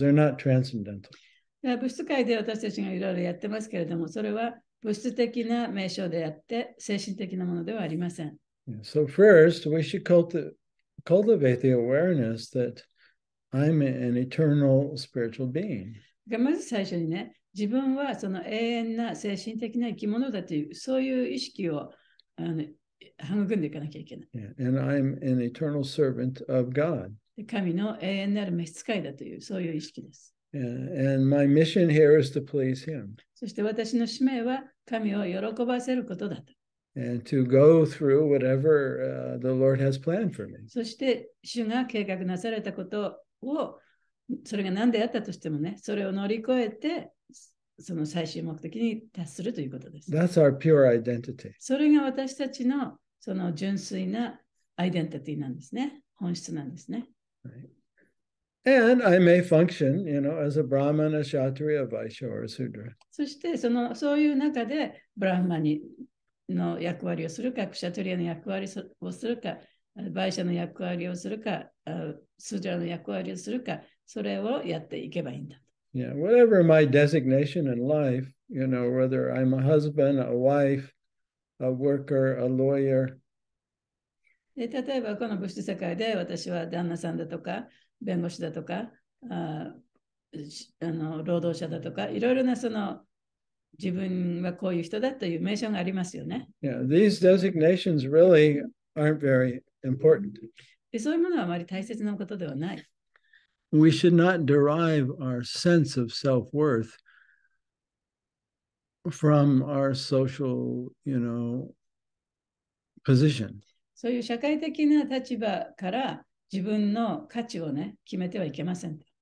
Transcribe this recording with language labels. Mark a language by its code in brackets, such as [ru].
[en] They're not transcendental. [ja] 物質界で私たちがいろいろやってますけれども、それは物質的な名称であって、精神的なものではありません。 [en] So first, we should cultivate the awareness that I'm an eternal spiritual being. [ja] まず最初にね、自分はその永遠な精神的な生き物だという、そういう意識をあの育んでいかなきゃいけない。 [en] Yeah. And I'm an eternal servant of God. [ja] 神の永遠なる召使いだという、そういう意識です。 [en] And my mission here is to please him. [ja] そして私の使命は神を喜ばせることだと。 [en] And to go through whatever the Lord has planned for me. [ja] そして主が計画なされたことを、それが何であったとしてもね、それを乗り越えて、その最終目的に達するということです。 [en] That's our pure identity. [ja] それが私たちのその純粋なアイデンティティなんですね。本質なんですね。 [en] Right. And I may function, you know, as a Brahman, a Kshatriya, a Vaishya, or a Sudra. [ja] そしてそのそういう中でブラーマニの役割をするか、クシャトリアの役割をするか、バイシャの役割をするか、スジャの役割をするか、それをやっていけばいいんだ。 [en] Yeah, whatever my designation in life, you know, whether I'm a husband, a wife, a worker, a lawyer. [ja] で例えばこの物質世界で私は旦那さんだとか、弁護士だとか、あの労働者だとか、いろいろなその自分はこういう人だという名称がありますよね。 [en] Yeah, these designations really aren't very important. [ja] そういうものはあまり大切なことではない。 [en] We should not derive our sense of self-worth from our social, you know, position. [ja] そういう社会的な立場から自分の価値をね決めてはいけません。